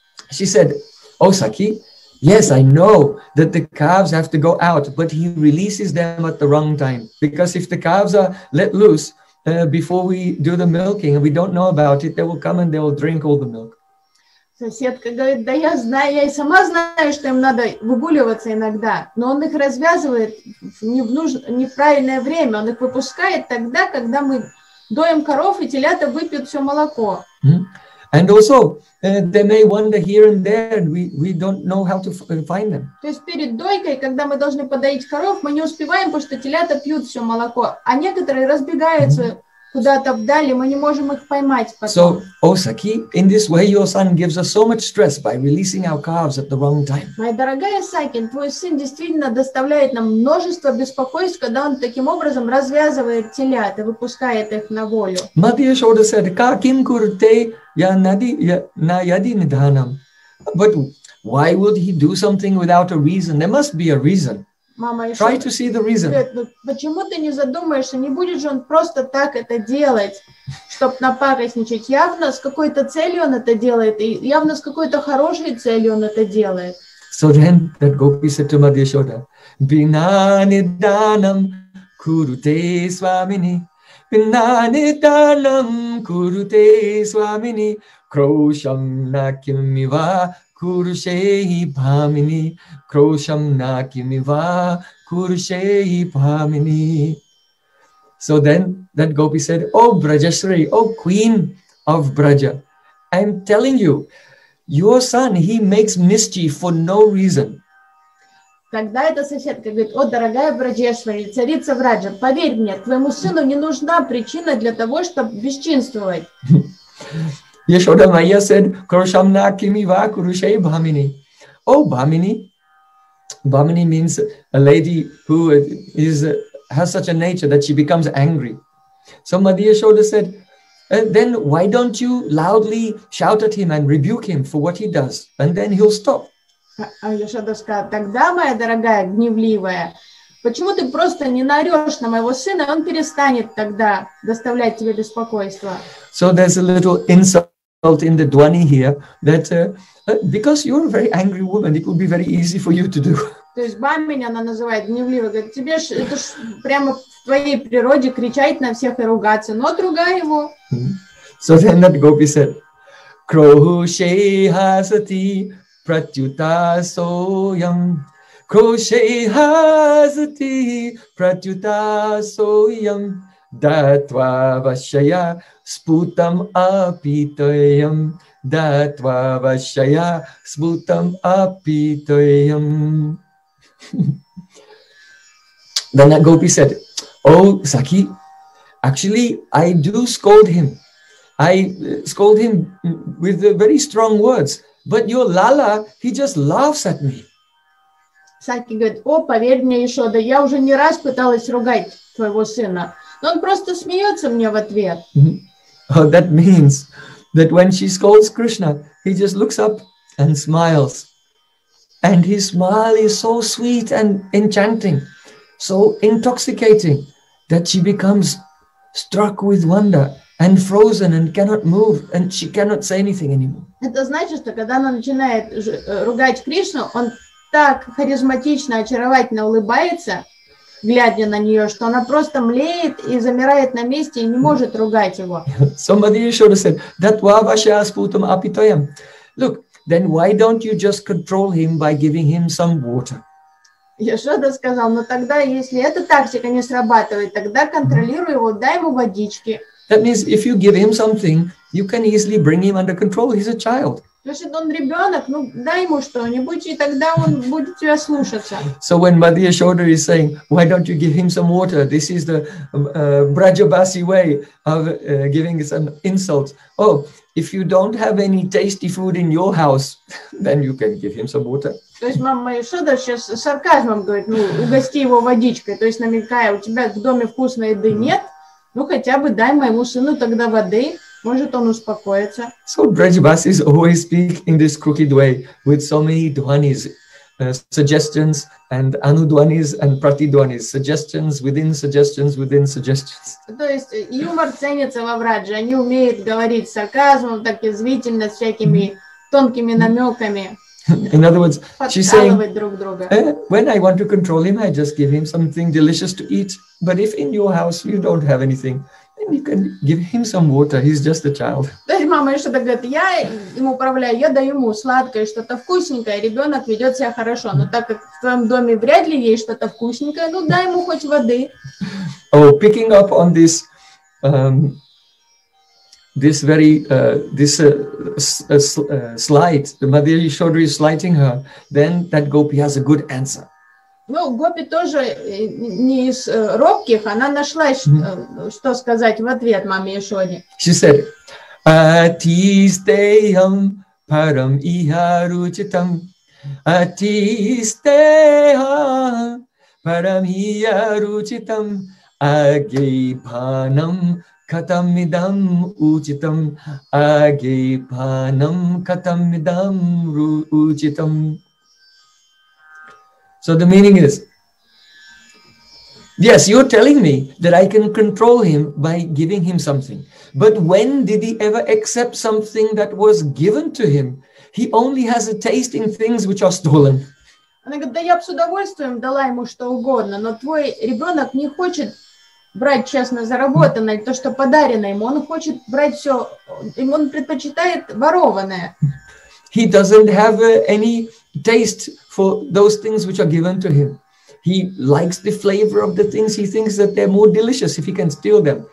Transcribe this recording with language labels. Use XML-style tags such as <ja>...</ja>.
<en>She said, oh Saki, yes, I know that the calves have to go out, but he releases them at the wrong time. Because if the calves are let loose, before we do the milking, and we don't know about it, they will come and they will drink all the milk.</en> <ru>Соседка говорит, да я знаю, я и сама знаю, что им надо выгуливаться иногда, но он их развязывает не в правильное время, он их выпускает тогда, когда мы доим коров, и телята выпьют все молоко.</ru> <en>And also, they may wander here and there, and we don't know how to find them.</en> <ru>То есть перед дойкой, когда мы должны подоить коров, мы не успеваем, потому что телята пьют все молоко, а некоторые разбегаются куда-то вдали, мы не можем их поймать. Потом.</ru> <en>So, Osaki, in this way, your son gives us so much stress by releasing our calves at the wrong time.</en> <ru>Моя дорогая Сакин, твой сын действительно доставляет нам множество беспокойств, когда он таким образом развязывает телят и выпускает их на волю.</ru> <en>Mother Yashoda said, "Каким курте я нади на яди неданам?" But why would he do something without a reason? There must be a reason. Try to see the reason.</en> <ru>Почему ты не задумаешься, не будет же он просто так это делать, чтобы напакостничать? Явно с какой-то целью он это делает, и явно с какой-то хорошей целью он это делает.</ru> <en>So then that gopi said to Madhya Shoda,</en> <sa>Bina nidanam kurute swamini, Bina nidanam kurute swamini, Krosham nakimiva, Kurushehi Bhamini, Krosham Nakimiva, Kurushehi Bhamini.</sa> <en>So then that gopi said, oh Brajashri, oh queen of Braja, I'm telling you, your son, he makes mischief for no reason.</en> <ru>Тогда эта соседка говорит, о, дорогая Браджешвари, царица Враджа, поверь мне, твоему сыну не нужна причина для того, чтобы бесчинствовать.</ru> <en>Yashoda Maya said,</en> <sa>Krosham na kimi va kurushei bhamini. Oh, bhamini.</sa> <en>Bhamini means a lady who is has such a nature that she becomes angry. So Madhya Yashoda said, then why don't you loudly shout at him and rebuke him for what he does? And then he'll stop.</en> <ru>Yashoda сказала, тогда, моя дорогая гневливая, почему ты просто не наорешь на моего сына, он перестанет тогда доставлять тебе беспокойство?</ru> <en>So there's a little insult in the dwani here that because you're a very angry woman, it would be very easy for you to do.</en> <ru>То есть бамини она называет гневливой, говорит, тебе ж это ж прямо в твоей природе кричать на всех и ругаться, но другая его.</ru> <en>So then that gopi said,</en> <sa>Krohushei hasati pratyuta soyam, Krohushei hasati pratyuta soyam, Datva vashaya sputam apitoyam, Datva vashaya sputam apitoyam.</sa> <en>Then that gopi said, oh Saki, actually I do scold him. I scold him with very strong words, but your Lala, he just laughs at me.</en> <ru>Саки говорит, о, поверь мне, Ишода, я уже не раз пыталась ругать твоего сына, но он просто смеется мне в ответ.</ru> <en>Oh, that means that when she scolds Krishna, he just looks up and smiles. And his smile is so sweet and enchanting, so intoxicating, that she becomes struck with wonder and frozen and cannot move, and she cannot say anything anymore.</en> <ru>Это значит, что когда она начинает ругать Кришну, он так харизматично, очаровательно улыбается, глядя на нее, что она просто млеет и замирает на месте и не может ругать его.</ru> <en>Somebody should have said,</en> <sa>"That va vasha asputam apitoyam."</sa> <en>Look, then why don't you just control him by giving him some water?</en> <ru>Я что-то сказал, но тогда, если эта тактика не срабатывает, тогда контролируй его, дай ему водички.</ru> <en>That means if you give him something, you can easily bring him under control. He's a child.</en> <ru>Значит, он ребенок, ну дай ему что-нибудь, и тогда он будет тебя слушаться.</ru> <en>So when Madhya Shodhar is saying, why don't you give him some water? This is the Brajabasi way of giving some insults. Oh, if you don't have any tasty food in your house, then you can give him some water.</en> <ru>То есть мама Ишода сейчас сарказмом говорит, ну, угости его водичкой, то есть намекая, у тебя в доме вкусной еды нет, ну, хотя бы дай моему сыну тогда воды, может, он успокоится.</ru> <en>So, Brajabasis always speak in this crooked way, with so many dhwanis, suggestions, and anudhwanis, and pratidhwanis, suggestions within suggestions within suggestions.</en> <ru>То есть юмор ценится во Врадже, они умеют говорить сарказмом, так язвительно, с всякими тонкими намеками.</ru> <en>In other words, she's saying, when I want to control him, I just give him something delicious to eat. But if in your house you don't have anything, then you can give him some water. He's just a child.</en> <ru>То есть мама что-то говорит, я им управляю, я даю ему сладкое, что-то вкусненькое, ребенок ведет себя хорошо. Но так как в твоем доме вряд ли есть что-то вкусненькое, ну дай ему хоть воды.</ru> <en>Oh, picking up on this, slight, the Madhya Yashoda is slighting her, then that gopi has a good answer.</en> <ru>Ну, гопи тоже не из робких, она нашла, что сказать в ответ маме Яшоде.</ru> <en>She said,</en> <sa>Atisteham param iharuchitam, Atisteham param iharuchitam, Agibhanam katam idam uchitam, agipanam katam idam uchitam.</sa> <en>So the meaning is, yes, you're telling me that I can control him by giving him something. But when did he ever accept something that was given to him? He only has a taste in things which are stolen.</en> <ru>Она говорит, да я бы с удовольствием дала ему что угодно, но твой ребенок не хочет брать честно заработанное, то, что подарено ему, он хочет брать все, ему он предпочитает ворованное.</ru> <en>He doesn't have any taste for those things which are given to him. He likes the flavor of the things, he thinks that they're more delicious if he can steal them.</en>